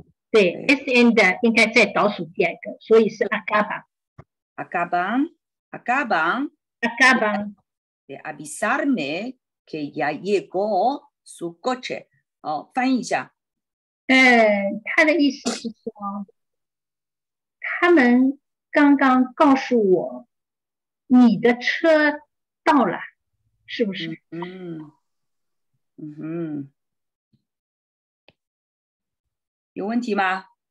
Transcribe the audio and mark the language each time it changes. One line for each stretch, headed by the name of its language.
Chinese: 对 ,SN 的应该在倒数第二个，所以是 acaba.
Spanish: Acaba, acaba. Acaba. De avisarme que ya llegó su coche.
Chinese: 哦，翻译一下。他的意思是说，他们刚刚告诉我，你的车到了。是不是？嗯嗯，有问题吗？